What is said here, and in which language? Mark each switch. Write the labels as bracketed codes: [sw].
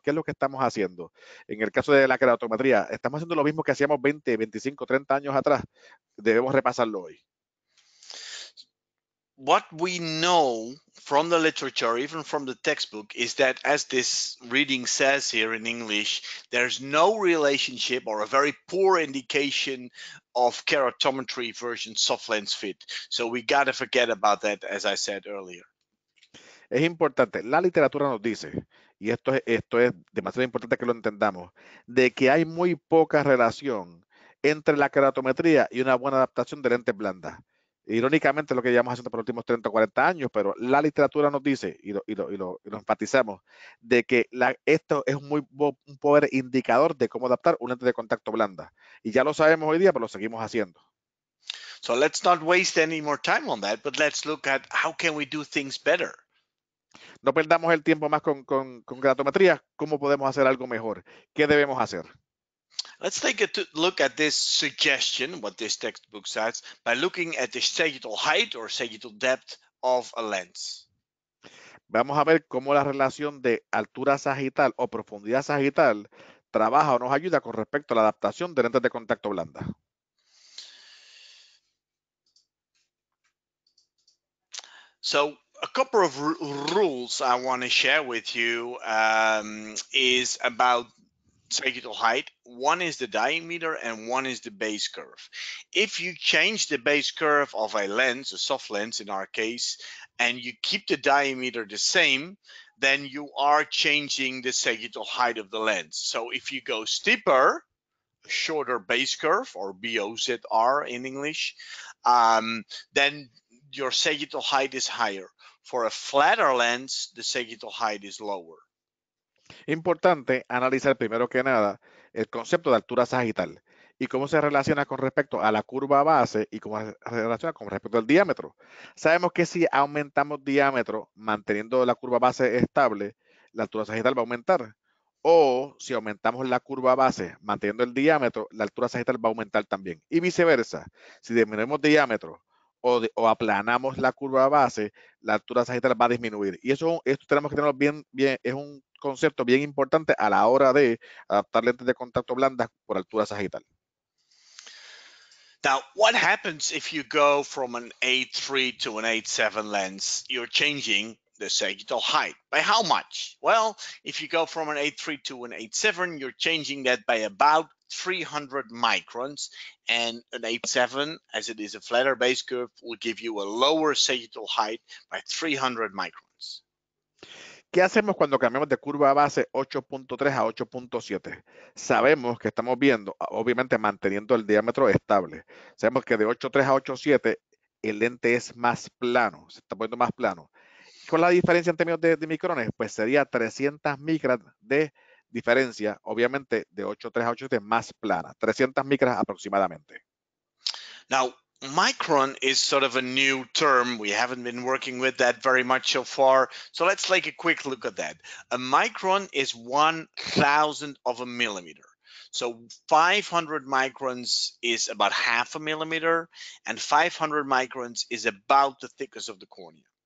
[es] ¿Qué es lo que estamos haciendo? En el caso de la queratometría, estamos haciendo lo mismo que hacíamos 20, 25, 30 años atrás. Debemos repasarlo hoy. [en] What we know from the literature, even from the textbook, is that as this reading says here in English, there's no relationship or a very poor indication of keratometry versus soft lens fit. So we gotta forget about that, as I said earlier. [es] Es importante. La literatura nos dice, y esto es demasiado importante que lo entendamos, de que hay muy poca relación entre la keratometría y una buena adaptación de lentes blandas. Irónicamente, lo que llevamos haciendo por los últimos 30 o 40 años, pero la literatura nos dice, y lo enfatizamos, de que esto es un poder indicador de cómo adaptar un lente de contacto blanda. Y ya lo sabemos hoy día, pero lo seguimos haciendo. [en] So let's not waste any more time on that, but let's look at how can we do things better. [es] No perdamos el tiempo más con gratometría. ¿Cómo podemos hacer algo mejor? ¿Qué debemos hacer? [en] Let's take a look at this suggestion, what this textbook says, by looking at the sagittal height or sagittal depth of a lens. [es] Vamos a ver cómo la relación de altura sagital o profundidad sagital trabaja o nos ayuda con respecto a la adaptación de lentes de contacto blanda. [en] So, a couple of rules I want to share with you is about sagittal height. One is the diameter and one is the base curve. If you change the base curve of a lens, a soft lens in our case, and you keep the diameter the same, then you are changing the sagittal height of the lens. So if you go steeper, shorter base curve, or BOZR in English, then your sagittal height is higher. For a flatter lens, the sagittal height is lower. [es] Importante analizar primero que nada el concepto de altura sagital y cómo se relaciona con respecto a la curva base y cómo se relaciona con respecto al diámetro. Sabemos que si aumentamos diámetro manteniendo la curva base estable, la altura sagital va a aumentar. O si aumentamos la curva base manteniendo el diámetro, la altura sagital va a aumentar también. Y viceversa, si disminuimos diámetro o aplanamos la curva base, la altura sagital va a disminuir. Y eso esto tenemos que tenerlo bien, es un concepto bien importante a la hora de adaptar lentes de contacto blandas por altura sagital. [en] Now, what happens if you go from an 8.3 to an 8.7 lens? You're changing the sagittal height. By how much? Well, if you go from an 8.3 to an 8.7, you're changing that by about 300 microns. And an 8.7, as it is a flatter base curve, will give you a lower sagittal height by 300 microns. [es] ¿Qué hacemos cuando cambiamos de curva base 8.3 a 8.7? Sabemos que estamos viendo, obviamente manteniendo el diámetro estable. Sabemos que de 8.3 a 8.7 el lente es más plano, se está poniendo más plano. ¿Cuál es la diferencia en términos de micrones? Pues sería 300 micras de diferencia, obviamente de 8.3 a 8.7 más plana, 300 micras aproximadamente. [en] Now, micron is sort of a new term. We haven't been working with that very much so far. So let's take a quick look at that. A micron is 1/1000th of a millimeter. So 500 microns is about half a millimeter, and 500 microns is about the thickness of the cornea.